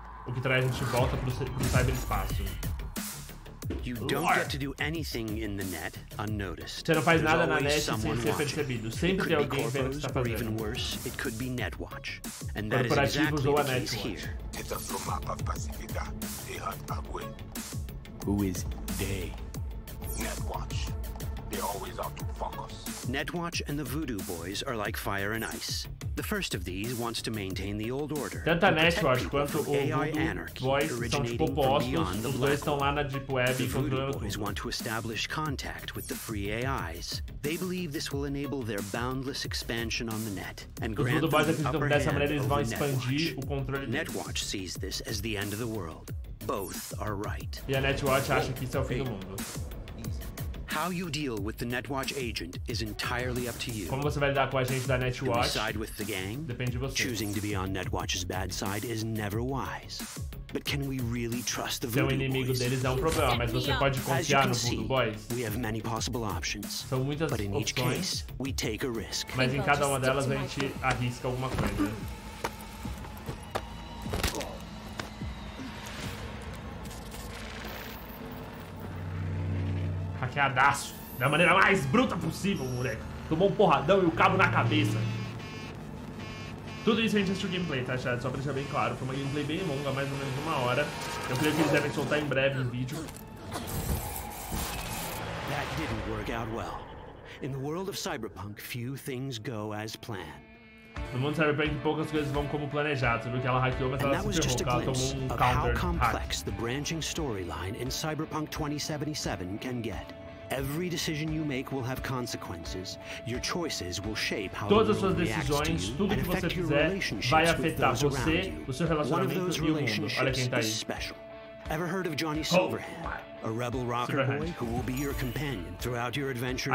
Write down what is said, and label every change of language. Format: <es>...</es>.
<pt>O que traz a gente volta para o cyberespaço.</pt> <en>You don't get to do anything in the net unnoticed.</en> <pt>Você não faz nada na net sem ser percebido. Sempre tem alguém vendo o que está fazendo.</pt> <en>Worse, it could be net watch. And</en> <pt>corporativos</pt> <en>that is exactly</en> <pt>ou a</pt> <en>network. Who is they? Netwatch. They always out to fuck us. Netwatch and the Voodoo Boys are like fire and ice. The first of these wants to maintain the old order.</en> <pt>Tanto a Netwatch quanto o Voodoo Boys são tipo opostos, os dois estão lá na Deep Web e controlando tudo. The Voodoo Boys acreditam que dessa maneira eles vão expandir o controle deles.</pt> <en>Netwatch sees this as the end of the world. Both are right.</en> <pt>E a Netwatch acha que isso é o fim do mundo.</pt> <en>How you deal with the Netwatch agent is entirely up to you.</en> <pt>Como você vai lidar com a agente da Netwatch?</pt> <en>Side with the gang?</en> <pt>Depende de você.</pt> <en>Choosing to be on Netwatch's bad side is never wise. But can we really trust the Voodoo Boys?</en> <pt>Seu inimigo deles é um problema, mas você pode confiar no Voodoo Boys?</pt> <en>We have many possible options.</en> <pt>São muitas opções.</pt> <en>But in each case, we take a risk.</en> <pt>Mas em cada uma delas a gente arrisca alguma coisa. Hackeadaço, da maneira mais bruta possível, moleque. Tomou um porradão e o cabo na cabeça. Tudo isso a gente assistiu gameplay, tá, chat? Só pra deixar bem claro. Foi uma gameplay bem longa, mais ou menos uma hora. Eu creio que eles devem soltar em breve um vídeo.</pt> <en>That didn't work out well. In the world of Cyberpunk, few things go as planned.</en> <pt>No mundo de Cyberpunk, poucas coisas vão como planejado. Você viu que ela hackeou, mas ela se derrubou, ela tomou um counter hack.</pt> <en>How complex the branching storyline in Cyberpunk 2077 can get. Every decision you make will have consequences. Your choices will shape how</en> <pt>todas as suas decisões, tudo que você fizer, vai afetar você, o seu relacionamento e o mundo. Olha quem tá aí.</pt> <en>Ever heard of Johnny Silverhand, a rebel rocker boy who will be your companion throughout your adventure?</en>